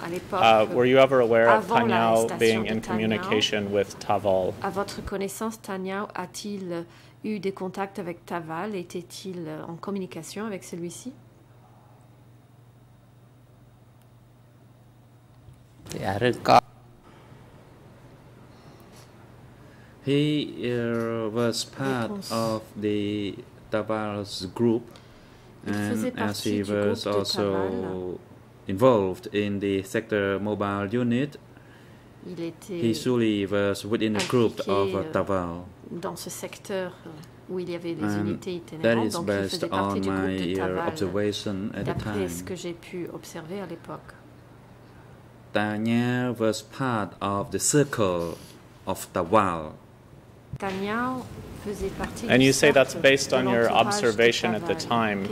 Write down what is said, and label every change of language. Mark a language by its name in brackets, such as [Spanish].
[English] Were you ever aware of Tanyal being in communication with Taval? [French] À votre connaissance, Tanyal a-t-il eu des contacts avec Taval? Était-il en communication avec celui-ci? [English] He was part of the Taval's group, and as he was also involved in the sector mobile unit, he surely was within the group of Taval. [French] Dans ce secteur où il y avait des unités itinérantes, [English] that is based on my observation at the time. [French] Ce que j'ai pu observer à l'époque. [English] Tanyal was part of the circle of Taval. And you say that's based on your observation at the time.